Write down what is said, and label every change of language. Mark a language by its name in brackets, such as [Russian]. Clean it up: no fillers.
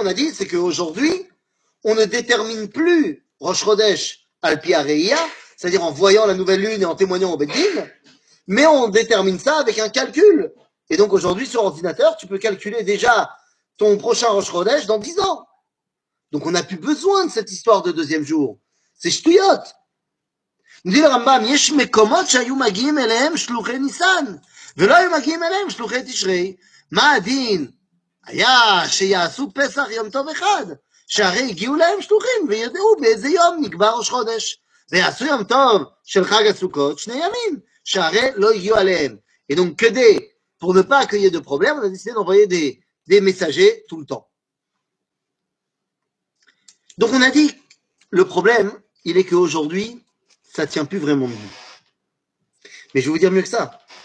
[French] On a dit, c'est qu'aujourd'hui, on ne détermine plus Rosh Chodesh [Hebrew] al pi areiya, [French] c'est-à-dire en voyant la nouvelle lune et en témoignant au Beit Din, mais on détermine ça avec un calcul. Et donc aujourd'hui, sur ordinateur, tu peux calculer déjà ton prochain Rosh Chodesh dans 10 ans. Donc on n'a plus besoin de cette histoire de 2e jour. C'est ch'touyot. Nous dit le Rambam, [Hebrew] yesh mekomot shayu magim elehem shluchei nissan, velo yu magim elehem shluchei tishrei, ma adin, היה שיעשו פסח יום טוב אחד, שהרי הגיעו להם שלוחים וידעו באיזה יום נקבע ראש חודש, ויעשו יום טוב של חג הסוכות 2 ימים, שהרי לא הגיעו עליהם. [French] Et donc, כדי, pour ne pas qu'il y ait de problème, on a décidé d'envoyer des messagers tout le temps. Donc, on a dit, le problème, il est qu'aujourd'hui, ça ne tient plus vraiment mieux. Mais je vais vous dire mieux que ça.